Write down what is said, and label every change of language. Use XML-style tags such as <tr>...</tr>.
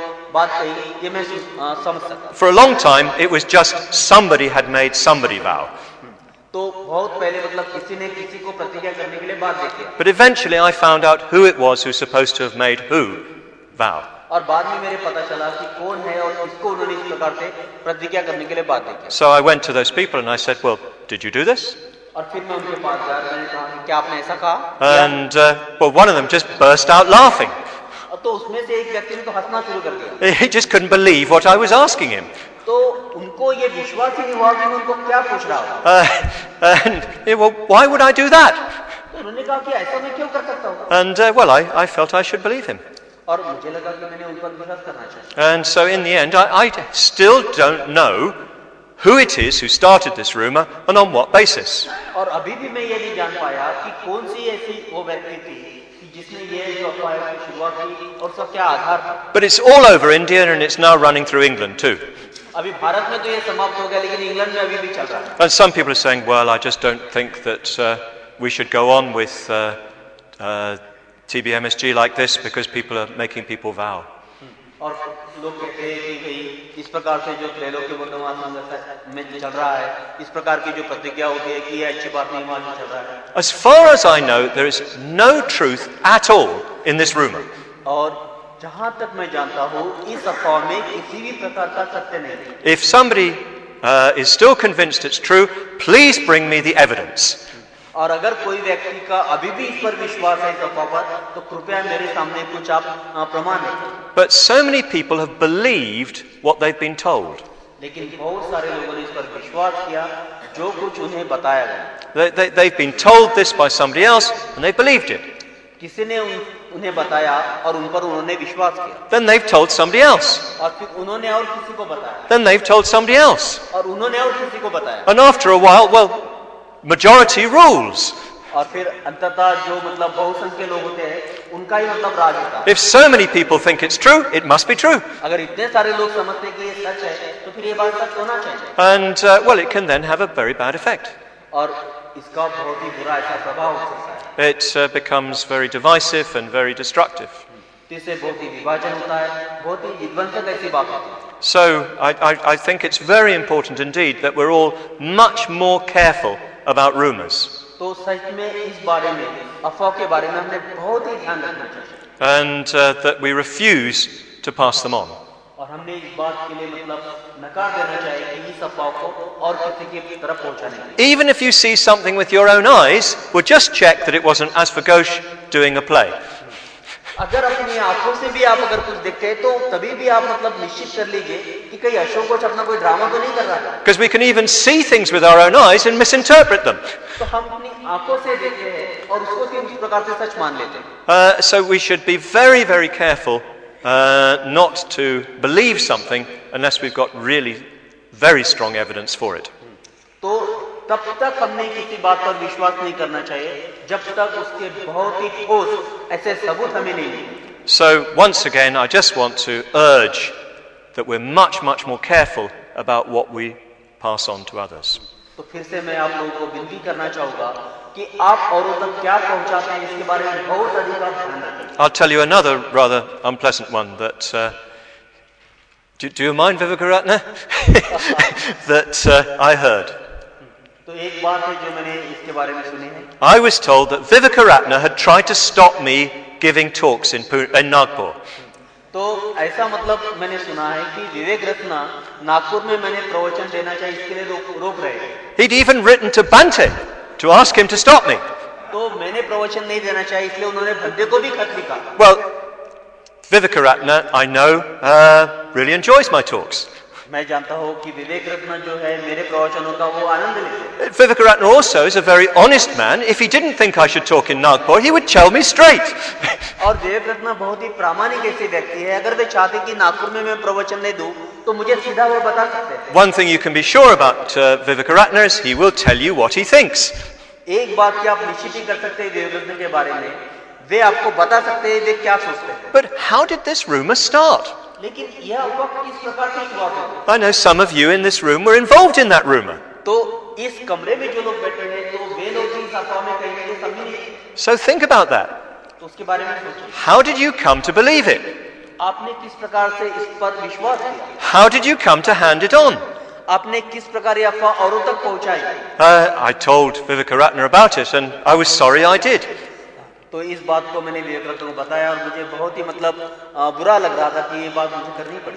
<en>For a long time, it was just somebody had made somebody vow. But eventually I found out who it was who's supposed to have made who vow.</en> <hi>और बाद में मेरे पता चला कि कौन है और किसको उन्होंने इस प्रकार से प्रतिज्ञा करने के लिए बात की।</hi> <en>So I went to those people and I said, well, did you do this?</en> <hi>और फिर मैं उनके पास गया और मैंने कहा कि क्या आपने ऐसा कहा?</hi> <en>And well, one of them just burst out laughing.</en> <hi>तो उसमें से एक व्यक्ति ने तो हंसना शुरू कर दिया।</hi> <en>He just couldn't believe what I was asking him.</en> <hi>तो उनको ये विश्वास ही नहीं हुआ कि उनको क्या पूछ रहा हूँ।</hi> <en>Well, why would I do that?</en> <hi>उन्होंने कहा कि ऐसा मैं क्यों कर सकता हूँ?</hi> <en>And well, I felt I should believe him.</en> <hi>और मुझे लगा कि मैंने उन पर विश्वास करना चाहिए।</hi> <en>And so in the end, I still don't know who it is who started this rumor and on what basis.</en> <hi>और अभी भी मैं ये नहीं जान पाया कि कौन सी ऐसी वो व्यक्ति थी जिसने ये आधार था।</hi> <en>But it's all over India and it's now running through England too.</en> <hi>अभी भारत में तो ये समाप्त हो गया लेकिन इंग्लैंड में अभी भी चल रहा है।</hi> <en>And some people are saying, well, I just don't think that we should go on with TBMSG like this because people are making people vow.</en> <hi>और लोग कहते हैं कि इस प्रकार से जो ट्रेलों के वर्तमान में चल रहा है, इस प्रकार की जो प्रतिज्ञा होती है कि ये अच्छी बात नहीं मालूम चल रहा है।</hi> <en>As far as I know, there is no truth at all in this rumor.</en> <hi>और जहां तक मैं जानता हूं, इस अफवाह में किसी भी प्रकार का सत्य नहीं है।</hi> <en>If somebody is still convinced it's true, please bring me the evidence.</en> <hi>और अगर कोई व्यक्ति का अभी भी इस पर विश्वास है इस अफवाह पर, तो कृपया मेरे सामने कुछ आप प्रमाण दें।</hi> <en>But so many people have believed what they've been told.</en> <hi>लेकिन बहुत सारे लोगों ने इस पर विश्वास किया जो कुछ उन्हें बताया गया।</hi> <en>They've been told this by somebody else and they believed it.</en> <hi>किसी ने उन्हें बताया और उन पर उन्होंने विश्वास किया।</hi> <en>Then they've told somebody else.</en> <hi>और फिर उन्होंने और किसी को बताया।</hi> <en>Then they've told somebody else.</en> <hi>और उन्होंने और किसी को बताया।</hi> <en>And after a while, well, majority rules.</en> <hi>और फिर अंततः जो मतलब बहुसंख्यक लोग होते हैं उनका ही मतलब राज होता है।</hi> <en>If so many people think it's true, it must be true.</en> <hi>अगर इतने सारे लोग समझते हैं कि ये सच है, तो फिर ये बात सच होना चाहिए।</hi> <en>And well, it can then have a very bad effect.</en> <hi>और इसका बहुत ही बुरा ऐसा प्रभाव हो सकता है।</hi> <en>It becomes very divisive and very destructive.</en> <hi>इससे बहुत ही विभाजन होता है, बहुत ही विध्वंसक ऐसी बात होती है।</hi> <en>So I think it's very important indeed that we're all much more careful about rumors.</en> <hi>तो सच में इस बारे में अफवाह के बारे में हमें बहुत ही ध्यान रखना चाहिए।</hi> <en>And that we refuse to pass them on.</en> <hi>और हमने इस बात के लिए मतलब नकार देना चाहिए कि इस अफवाह को और किसी के तरफ पहुंचाने के लिए।</hi> <en>Even if you see something with your own eyes, well, just check that it wasn't Asvaghosh doing a play.</en> <hi>अगर अपनी आंखों से भी आप अगर कुछ देखते हैं, तो तभी भी आप मतलब निश्चित कर लीजिए कि कहीं अशोक कुछ अपना कोई ड्रामा तो नहीं कर रहा है।</hi> <en>Because we can even see things with our own eyes and misinterpret them.</en> <hi>तो हम अपनी आंखों से देखते हैं और उसको भी उसी प्रकार से सच मान लेते हैं।</hi> <en>So we should be very, very careful not to believe something unless we've got really very strong evidence for it.</en> <hi>तो तब तक हमने किसी बात पर विश्वास नहीं करना चाहिए जब तक उसके बहुत ही ठोस ऐसे सबूत हमें नहीं मिले।</hi> <en>So once again, I just want to urge that we're much, much more careful about what we pass on to others.</en> <hi>तो फिर से मैं आप लोगों को विनती करना चाहूँगा कि आप औरों तक क्या पहुँचाते हैं इसके बारे में बहुत अधिक ध्यान रखें।</hi> <en>I'll tell you another rather unpleasant one that do you mind, Vivekaratne? that I heard. I was told that Vivekaratne had tried to stop me giving talks in Nagpur.</en> <hi>तो ऐसा मतलब मैंने सुना है कि विवेक रत्न नागपुर में मैंने प्रवचन देना चाहिए इसके लिए रोक रहे हैं।</hi> <en>He'd even written to Bante to ask him to stop me.</en> <hi>तो मैंने प्रवचन नहीं देना चाहिए इसलिए उन्होंने बंदे को भी खत लिखा।</hi> <en>Well, Vivekaratne, I know, really enjoys my talks.</en> <hi>मैं जानता हूँ कि विवेक रत्न जो है मेरे प्रवचनों का वो आनंद लेते।</hi> <en>Vivekaratne also is a very honest man. If he didn't think I should talk in Nagpur, he would tell me straight.</en> <hi>और विवेक रत्न बहुत ही प्रामाणिक ऐसे व्यक्ति है, अगर वे चाहते कि नागपुर में मैं प्रवचन नहीं दूं, तो मुझे सीधा वो बता सकते।</hi> <en>One thing you can be sure about Vivekaratne is he will tell you what he thinks.</en> <hi>एक बात की आप निश्चित ही कर सकते हैं विवेक रत्न के बारे में, वे आपको बता सकते हैं वे क्या सोचते हैं।</hi> <en>But how did this rumor start?</en> <hi>लेकिन यह अफवाह किस प्रकार से शुरू हुआ?</hi> <en>I know some of you in this room were involved in that rumor.</en> <hi>तो इस कमरे में जो लोग बैठे हैं, तो वे लोग इस अफवाह में कहीं तो शामिल हैं।</hi> <en>So think about that.</en> <hi>तो उसके बारे में सोचिए।</hi> <en>How did you come to believe it?</en> <hi>आपने किस प्रकार से इस पर विश्वास किया?</hi> <en>How did you come to hand it on?</en> <hi>आपने किस प्रकार यह अफवाह औरों तक पहुंचाई?</hi> <en>I told Vivekaratne about it, and I was sorry I did.</en> <hi>तो इस बात को मैंने विवेकानंद को बताया और मुझे बहुत ही मतलब बुरा लग रहा था कि ये बात मुझे करनी पड़ी.</hi>